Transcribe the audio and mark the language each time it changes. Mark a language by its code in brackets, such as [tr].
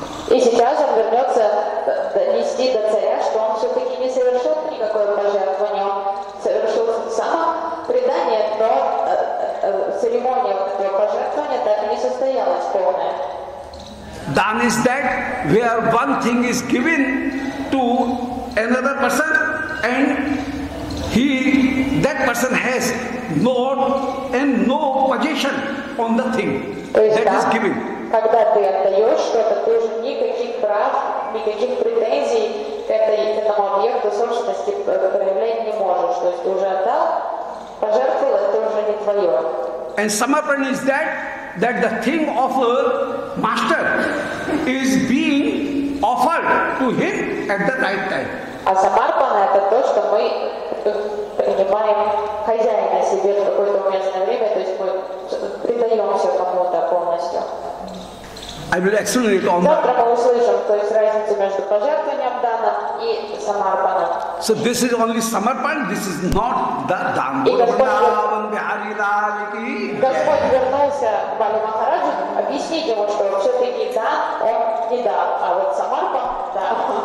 [ru] И сейчас он вернется донести до царя, что он все-таки не совершил никакое пожертвование. Он совершил само предание, но церемония пожертвования так и не состоялась полная. [en] Dan is that where one thing is given to another person and he that person has no position on the thing that is given. [ru] Когда ты отдаешь что-то, ты уже никаких прав, никаких претензий к этому объекту собственности проявлять не можешь. То есть ты уже отдал, пожертвовал, это уже не твое. [en] And samarpan is that the thing of a master is being offered to him at the right time. [ru] А самарпана это то, что мы принимаем хозяина себе в какое-то уместное время, то есть мы предаемся кому-то полностью. [en] I will explain it on [ru] завтра мы услышим, то есть разницу между пожертвованием дана и самарпаном. [en] So this is only samarpan, this is not the dana. [ru] И Господь вернулся к Бали Махараджу объяснить ему, что все-таки дан, он не дан, а вот самарпан, да.